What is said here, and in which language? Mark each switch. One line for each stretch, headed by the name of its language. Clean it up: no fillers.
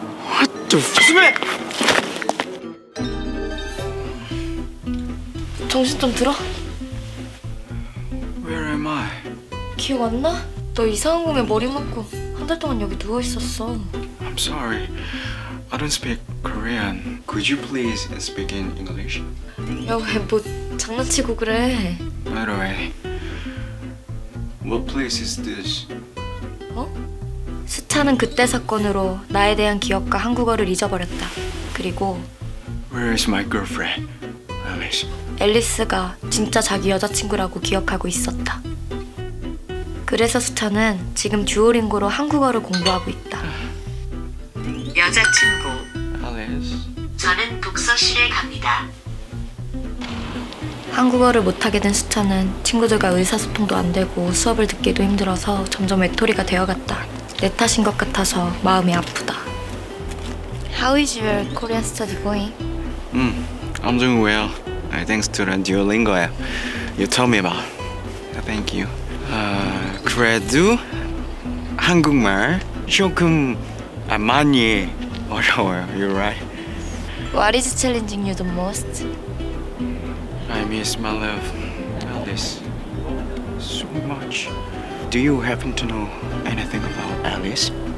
English: What the fuck?
Korean: 정신 좀 들어?
English: Where am I?
Korean: 기억 안 나? 너 이상한 꿈에 머리 맞고 한 달 동안 여기 누워 있었어.
English: I'm sorry. I don't speak Korean. Could you please speak in English?
Korean: 야, 왜 뭐 장난치고 그래?
English: By the way, what place is this?
Korean: 어? 수차는 그때 사건으로 나에 대한 기억과 한국어를 잊어버렸다. 그리고
English: Where is my girlfriend? Alice.
Korean: 앨리스가 진짜 자기 여자친구라고 기억하고 있었다. 그래서 수찬은 지금 듀오링고로 한국어를 공부하고 있다. 여자친구,
English: Alice.
Korean: 저는 독서실에 갑니다. 한국어를 못하게 된 수찬은 친구들과 의사소통도 안 되고 수업을 듣기도 힘들어서 점점 외톨이가 되어갔다. 내 탓인 것 같아서 마음이 아프다.
English: How is your Korean study going? I'm doing well. Thanks to the Duolingo app you told me about. Thank you.
Korean: 그래도 한국말 조금 많이 어려워요.
English: You're right. What is challenging you the most? I miss my love, Alice, so much. Do you happen to know anything about Alice?